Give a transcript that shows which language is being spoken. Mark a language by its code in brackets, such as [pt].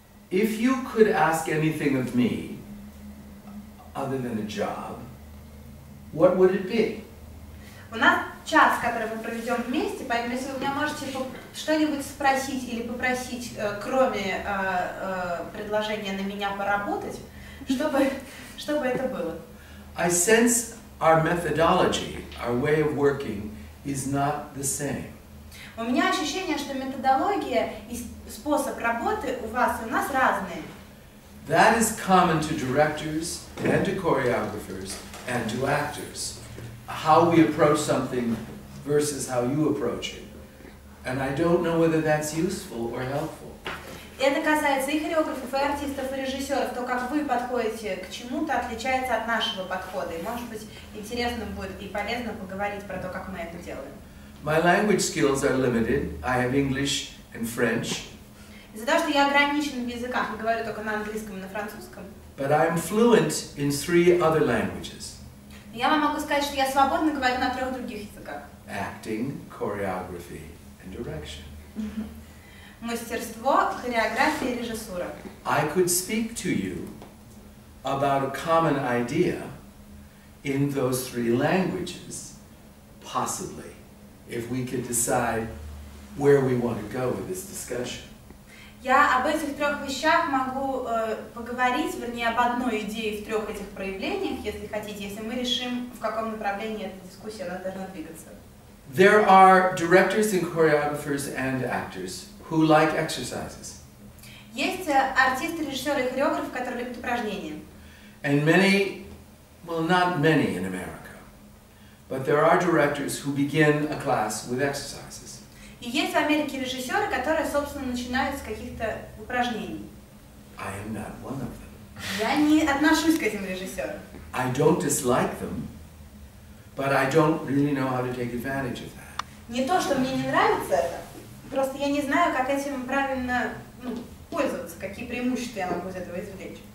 [en] If you could ask anything of me, other than a job, what would it be? [ru] У нас час, который мы проведем вместе, поэтому если вы меня можете что-нибудь спросить или попросить, кроме предложения на меня поработать, чтобы это было? [en] I sense our methodology, our way of working, is not the same. [ru] У меня ощущение, что методология и способ работы у вас и у нас разные. [en] That is common to directors and to choreographers and to actors. How we approach something versus how you approach it. And I don't know whether that's useful or helpful. [ru] Это касается и хореографов, и артистов, и режиссеров. То, как вы подходите к чему-то, отличается от нашего подхода. И, может быть, интересно будет и полезно поговорить про то, как мы это делаем. [en] My language skills are limited. I have English and French. [ru] Из-за того, что я ограничен в языках, я говорю только на английском и на французском. [en] But I'm fluent in three other languages. [ru] Я вам могу сказать, что я свободно говорю на трех других языках. [en] Acting, choreography, and direction. [ru] Мастерство, хореография и режиссура. [en] I could speak to you about a common idea in those three languages, possibly, if we could decide where we want to go with this discussion. [ru] Я об этих трех вещах могу поговорить, вернее, об одной идее в трех этих проявлениях, если хотите, если мы решим, в каком направлении эта дискуссия она должна двигаться. [en] There are directors and choreographers and actors who like exercises. [ru] Есть артисты, режиссеры и хореографы, которые любят упражнения. [en] And many, well, not many in America, but there are directors who begin a class with exercises. [ru] И есть в Америке режиссеры, которые, собственно, начинают с каких-то упражнений. [en] I am not one of them. [ru] Я не отношусь к этим режиссерам. [en] I don't dislike them, but I don't really know how to take advantage of that. [ru] Не то, что мне не нравится это, просто я не знаю, как этим правильно пользоваться, какие преимущества я могу из этого извлечь.